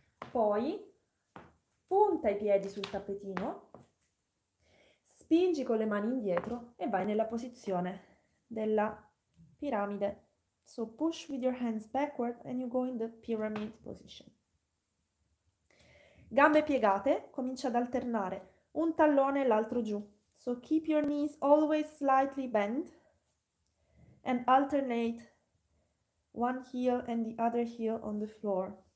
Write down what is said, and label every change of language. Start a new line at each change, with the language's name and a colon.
Italian: Poi punta i piedi sul tappetino, spingi con le mani indietro e vai nella posizione della piramide.
English: So push with your hands backward and you go in the pyramid position.
Italian: Gambe piegate, comincia ad alternare un tallone e l'altro giù.
English: So keep your knees always slightly bent. And alternate one heel and the other heel on the floor.